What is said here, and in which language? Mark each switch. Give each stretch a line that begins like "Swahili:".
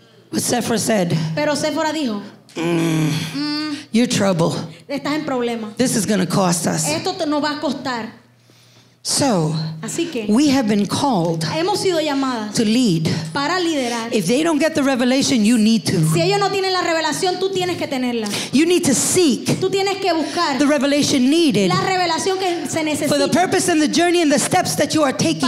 English: But Sephora said,
Spanish: pero Sephora dijo,
English: you're trouble.
Spanish: Estás en problema.
English: This is going to cost us.
Spanish: Esto nos va a costar.
English: So,
Spanish: así que,
English: we have been called
Spanish: hemos sido llamadas
English: to lead.
Spanish: Para liderar.
English: If they don't get the revelation, you need to.
Spanish: Si ellos no tienen la revelación, tú tienes que tenerla.
English: You need to seek
Spanish: tú tienes que buscar
English: the revelation needed
Spanish: la revelación que se necesita
English: for the purpose and the journey and the steps that you are taking